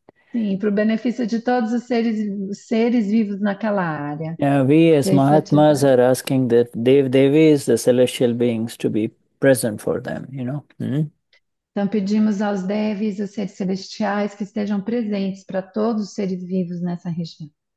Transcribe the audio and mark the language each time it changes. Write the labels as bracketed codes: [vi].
[pt] Sim, para o benefício de todos os seres vivos naquela área. [en] We as Jai Mahatmas Satchidananda. are asking that Devis, the celestial beings, to be present for them, you know. [pt] Então pedimos aos devis, os seres celestiais, que estejam presentes para todos os seres vivos nessa região.